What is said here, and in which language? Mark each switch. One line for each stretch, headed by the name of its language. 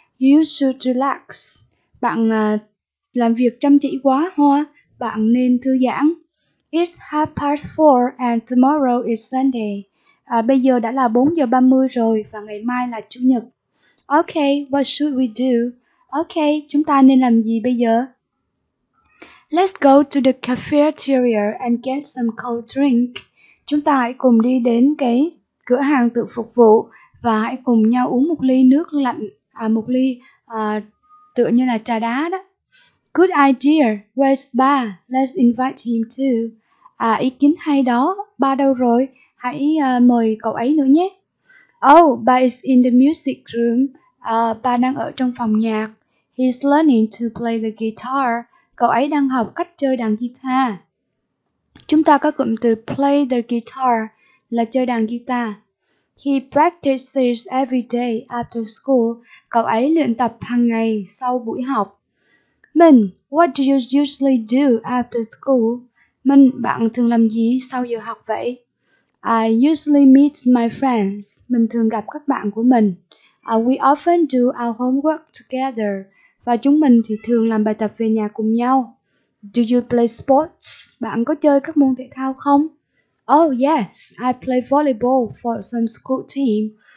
English: You should relax.
Vietnamese: Bạn làm việc chăm chỉ quá, Hoa. Bạn nên thư giãn.
English: It's 4:30 and tomorrow is Sunday.
Vietnamese: Bây giờ đã là 4:30 rồi và ngày mai là chủ nhật.
English: Okay, what should we do?
Vietnamese: Okay, chúng ta nên làm gì bây giờ?
English: Let's go to the cafeteria and get some cold drink.
Vietnamese: Chúng ta hãy cùng đi đến cái cửa hàng tự phục vụ và hãy cùng nhau uống một ly nước lạnh, một ly tựa như là trà đá đó.
English: Good idea. Where's Ba? Let's invite him too.
Vietnamese: Ý kiến hay đó. Ba đâu rồi? Hãy mời cậu ấy nữa nhé.
English: Oh, Ba is in the music room.
Vietnamese: Ba đang ở trong phòng nhạc.
English: He's learning to play the guitar.
Vietnamese: Cậu ấy đang học cách chơi đàn guitar. Chúng ta có cụm từ
English: play the guitar
Vietnamese: là chơi đàn guitar.
English: He practices every day after school.
Vietnamese: Cậu ấy luyện tập hàng ngày sau buổi học.
English: Mình, what do you usually do after school?
Vietnamese: Mình, bạn thường làm gì sau giờ học vậy?
English: I usually meet my friends.
Vietnamese: Mình thường gặp các bạn của mình.
English: We often do our homework together.
Vietnamese: Và chúng mình thì thường làm bài tập về nhà cùng nhau.
English: Do you play sports?
Vietnamese: Bạn có chơi các môn thể thao không?
English: Oh yes, I play volleyball for some school team.